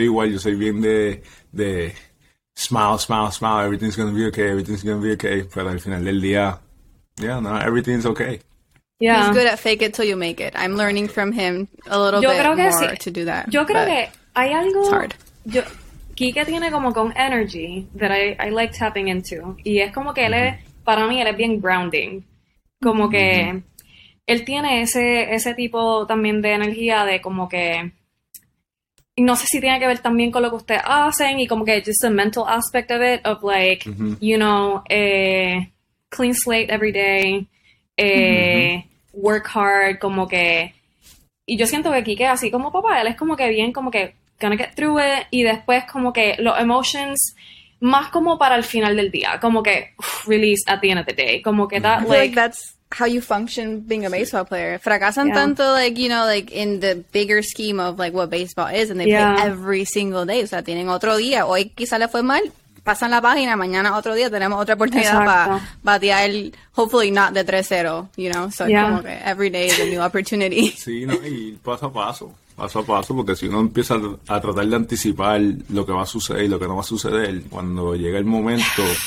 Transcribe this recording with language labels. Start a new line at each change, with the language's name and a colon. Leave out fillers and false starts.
Spanish: Yo soy bien de smile,
English: everything's gonna be okay,
Spanish: pero al final del día,
English: everything's okay. Yeah. He's good at fake it till you make it. I'm learning from him a little to do that.
Spanish: Yo creo que hay algo...
English: It's hard.
Spanish: Yo, Kike tiene como con
English: energy that I like tapping into.
Spanish: Y es como que él es, para mí, él es bien grounding. Como que él tiene ese tipo también de energía de como que... No sé si tiene que ver también con lo que ustedes hacen y como que
English: just the mental aspect of it, of like, you know, clean slate every day, work hard,
Spanish: como que... Y yo siento que Kike, así como papá, él es como que bien, como que
English: gonna get through it,
Spanish: y después como que los emotions, más como para el final del día, como que
English: release at the end of the day,
Spanish: como que that
English: I feel like that's how you function being a
Spanish: Sí.
English: baseball player.
Spanish: Fracasan tanto,
English: like, you know, like in the bigger scheme of like what baseball is, and they play every single day.
Spanish: O sea, tienen otro día. Hoy quizá le fue mal, pasan la página, mañana otro día tenemos otra oportunidad para Exacto.
English: batear, hopefully not de 3-0, you know? So
Spanish: es como que
English: every day is a new opportunity.
Spanish: Sí, no, y paso a paso, paso a paso, porque si uno empieza a tratar de anticipar lo que va a suceder y lo que no va a suceder, cuando llega el momento,